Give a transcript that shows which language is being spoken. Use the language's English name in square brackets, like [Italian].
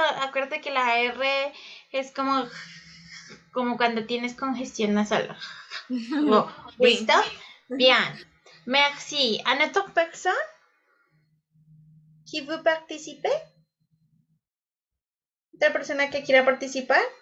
[Spanish] Acuérdate que la R es como cuando tienes congestión nasal. Oh, ¿listo? Bien. [French] Merci. ¿Une autre personne qui veut participer? [Spanish] ¿Otra persona que quiera participar?